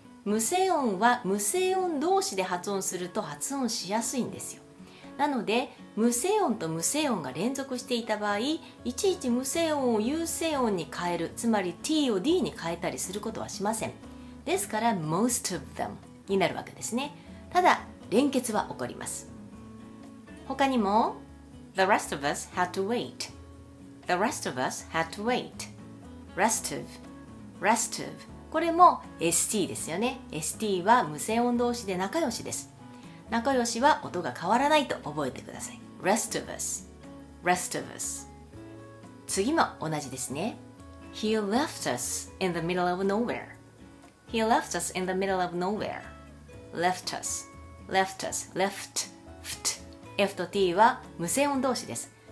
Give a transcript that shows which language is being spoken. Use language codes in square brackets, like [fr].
[ja] 無声音は無声音同士で発音すると発音しやすいんですよ。なので無声音と無声音が連続していた場合、いちいち無声音を有声音に変える、つまり T を D に変えたりすることはしません。ですから [en] most of them [ja] になるわけですね。ただ連結は起こります。他にも [en] The rest of us had to wait. The rest of us had to wait. Rest of. Rest of. [ja] これも ST ですよね。 ST は無声音同士で仲良しです。仲良しは音が変わらないと覚えてください。 [en] Rest of us. Rest of us. [ja] 次も同じですね。 [en] He left us in the middle of nowhere. He left us in the middle of nowhere. Left us. Left us. Left. Ft. [ja] F と T は無声音同士です。